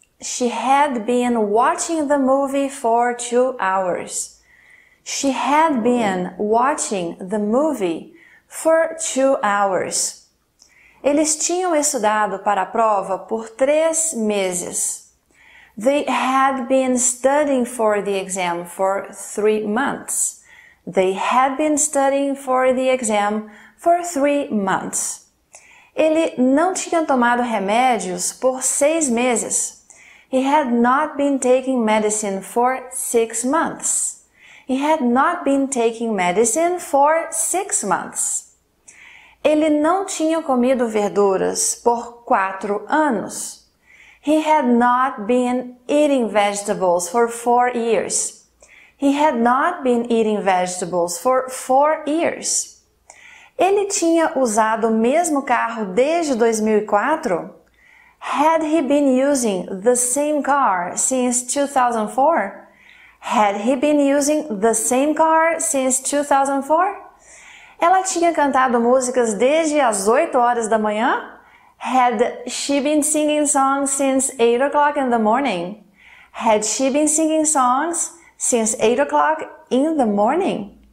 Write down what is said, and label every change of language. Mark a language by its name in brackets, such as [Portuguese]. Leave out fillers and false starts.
[English] She had been watching the movie for 2 hours. She had been watching the movie for 2 hours. [Portuguese] Eles tinham estudado para a prova por 3 meses. [English] They had been studying for the exam for 3 months. They had been studying for the exam for 3 months. [Portuguese] Ele não tinha tomado remédios por 6 meses. [English] He had not been taking medicine for 6 months. He had not been taking medicine for 6 months. [Portuguese] Ele não tinha comido verduras por 4 anos. [English] He had not been eating vegetables for 4 years. He had not been eating vegetables for 4 years. [Portuguese] Ele tinha usado o mesmo carro desde 2004? [English] Had he been using the same car since 2004? Had he been using the same car since 2004? [Portuguese] Ela tinha cantado músicas desde as 8 horas da manhã? [English] Had she been singing songs since 8 o'clock in the morning? Had she been singing songs since 8 o'clock in the morning?